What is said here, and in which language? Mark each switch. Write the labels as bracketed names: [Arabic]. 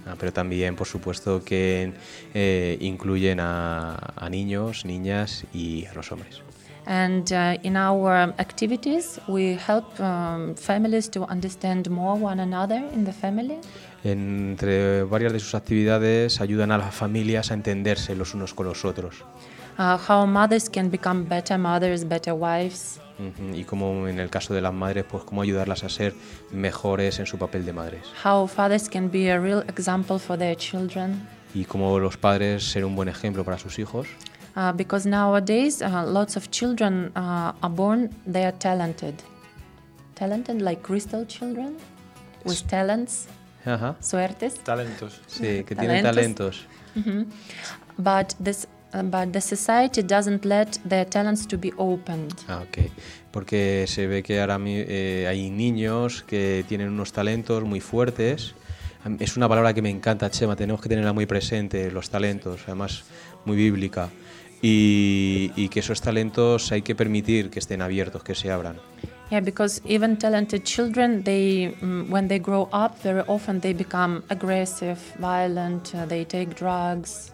[Spanish] Ah, pero también, por supuesto, que incluyen a niños, niñas y a los hombres. [English] And in our activities, we help families to understand more one another in the family. [Spanish] Entre varias de sus actividades, ayudan a las familias a entenderse los unos con los otros. [English] How mothers can become better mothers, better wives. Uh-huh. [Spanish] Y como en el caso de las madres, pues cómo ayudarlas a ser mejores en su papel de madres. [English] How fathers can be a real example for their children. [Spanish] Y cómo los padres ser un buen ejemplo para sus hijos. [English] Because nowadays lots of children are born, they are talented. Talented like crystal children with talents. Ajá. [Spanish] Suertes. Talentos. Sí, que talentos. Tienen talentos. Uh-huh. [English] But the society doesn't let their talents to be opened. Ah, okay. [Spanish] Porque se ve que ahora hay niños que tienen unos talentos muy fuertes. Es una palabra que me encanta, Chema, tenemos que tenerla muy presente, los talentos, además muy bíblica. Y que esos talentos hay que permitir que estén abiertos, que se abran. [English] Yeah, because even talented children, they when they grow up, very often they become aggressive, violent, they take drugs.